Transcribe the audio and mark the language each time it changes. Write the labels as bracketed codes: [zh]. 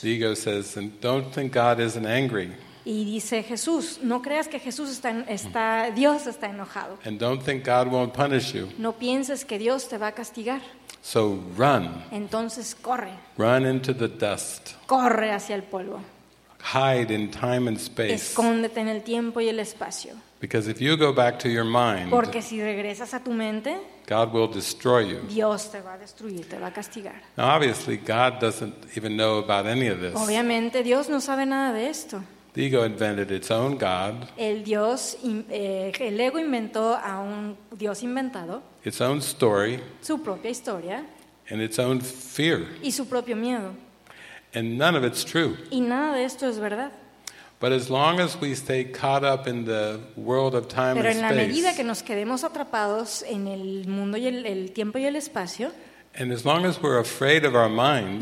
[en] The ego says, and don't think God isn't angry. [es] Y dice Jesús, no creas que Jesús está Dios está enojado. [en] And don't think God won't punish you. [es] No pienses que Dios te va a castigar. [en] So run. [es] Entonces corre. [en] Run into the dust. [es] Corre hacia el polvo. [en] Hide in time and space. [es] Escóndete en el tiempo y el espacio. [en] Because if you go back to your mind, [es] porque si regresas a tu mente, [en] God will destroy you. [es] Dios te va a destruir, te va a castigar. [en] Now, obviously, God doesn't even know about any of this. [es] Obviamente, Dios no sabe nada de esto. [en] The ego invented its own God. [es] El ego inventó a un Dios inventado. [en] Its own story. [es] Su propia historia. [en] And its own fear. [es] Y su propio miedo. [en] And none of it's true. [es] Y nada de esto es verdad. [en] But as long as we stay caught up in the world of time [es] pero [en] and space, [es] pero en la medida que nos quedemos atrapados en el mundo y el tiempo y el espacio, [en] and as long as we're afraid of our minds,